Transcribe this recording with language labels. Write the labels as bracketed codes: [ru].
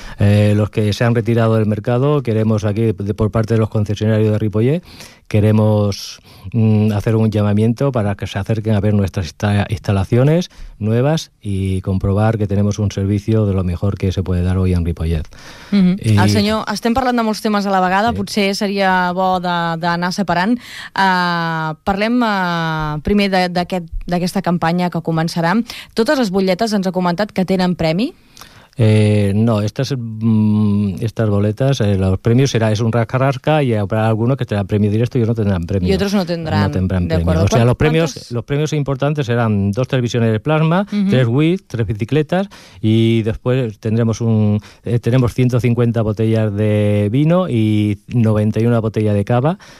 [es] Los que se han retirado del mercado, queremos aquí, por parte de los concesionarios de Ripollet, queremos hacer un llamamiento para que se acerquen a ver nuestras instalaciones nuevas y comprobar que tenemos un servicio de lo mejor que se puede dar hoy en Ripollet. Mm-hmm. [ca] El senyor, estem parlant de molts temes a la vegada, sí. Potser seria bo d'anar separant. Parlem primer d'aquesta campanya que començarà. Totes les butlletes ens ha comentat que tenen premi. [es] No, estas boletas, los premios será, es un rasca-rasca y habrá algunos que tendrán premio directo y otros no tendrán premio. Y otros no tendrán. No tendrán premio. Acuerdo. O sea, los premios importantes serán 2 televisiones de plasma, 3 WID, 3 bicicletas y después tendremos tenemos 150 botellas de vino y 91 botellas de cava.